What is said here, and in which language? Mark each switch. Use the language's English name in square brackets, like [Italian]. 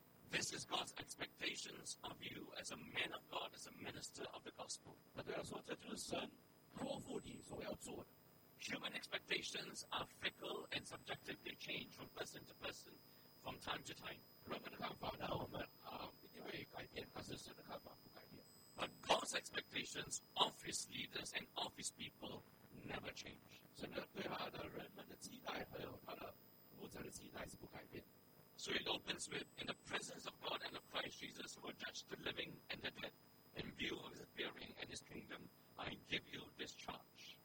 [English] This is God's expectations of you as a man of God, as a minister of the gospel. [Chinese] 他对他说, [English] human expectations are fickle and subjective. They change from person to person, from time to time. [Chinese] 人们的看法呢,我们一定会改变,但是神的看法不改变。 [English] But God's expectations of his leaders and of his people never change. [Chinese] 神的对他的人们的期待和他的牧者的期待是不改变。 [English] So it opens with, in the presence of God and of Christ Jesus, who are judged the living and the dead, in view of his appearing and his kingdom, I give you this charge.